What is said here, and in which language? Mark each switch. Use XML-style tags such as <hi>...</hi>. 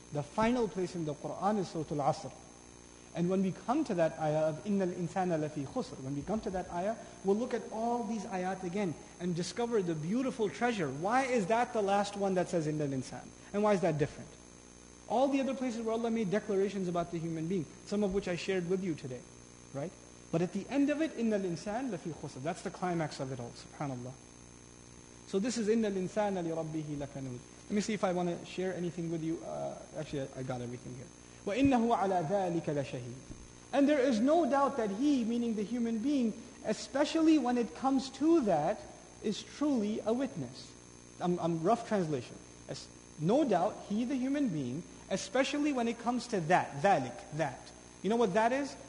<en>The final place in the Qur'an is Surah Al-Asr. And when we come to that ayah of</en> <ar>إِنَّ الْإِنسَانَ لَفِي خُسْرٍ,</ar> <en>when we come to that ayah, we'll look at all these ayat again and discover the beautiful treasure. Why is that the last one that says</en> <ar>إِنَّ الْإِنسَانَ?</ar> <en>And why is that different? All the other places where Allah made declarations about the human being, some of which I shared with you today, right? But at the end of it,</en> <ar>إِنَّ الْإِنسَانَ لَفِي خُسْرٍ.</ar> <en>That's the climax of it all, subhanAllah. So this is</en> <ar>إِنَّ الْإِنسَانَ لِرَبِّهِ لَكَنُودٍ.</ar> <en>Let me see if I want to share anything with you. Actually, I got everything here.</en> <ar>وَإِنَّهُ عَلَى ذَٰلِكَ لَشَهِيدٌ.</ar> <en>And there is no doubt that he, meaning the human being, especially when it comes to that, is truly a witness. I'm rough translation. No doubt, he, the human being, especially when it comes to that, ذلك, that. You know what that is?</en>